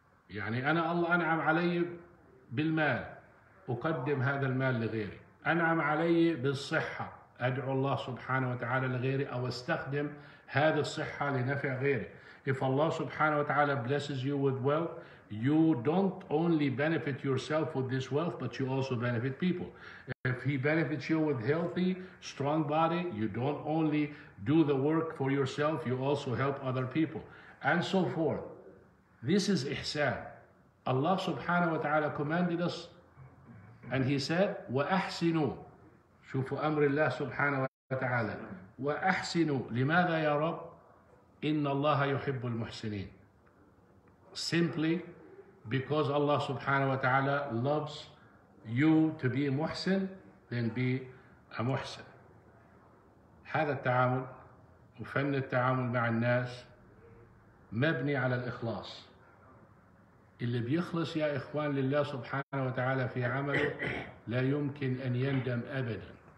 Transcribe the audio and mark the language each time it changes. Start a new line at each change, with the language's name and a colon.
Arabic: يعني أنا الله أنعم علي بالمال، أقدم هذا المال لغيري. أنعم علي بالصحة، أدعو الله سبحانه وتعالى لغيري أو أستخدم هذه الصحة لنفع غيري.
English: If Allah subhanahu wa ta'ala blesses you with wealth, you don't only benefit yourself with this wealth, but you also benefit people. If he benefits you with healthy, strong body, you don't only do the work for yourself, you also help other people. And so forth. This is ihsan. Allah subhanahu wa ta'ala commanded us, and he said, وَأَحْسِنُوا.
Arabic: شوفوا أمر الله سبحانه وتعالى. وَأَحْسِنُوا. لماذا يا رب؟ إن الله يحب المحسنين.
English: Simply because Allah subhanahu wa ta'ala loves you to be محسن, then be a محسن.
Arabic: هذا التعامل وفن التعامل مع الناس مبني على الإخلاص. اللي بيخلص يا إخوان لله سبحانه وتعالى في عمله لا يمكن أن يندم أبدا.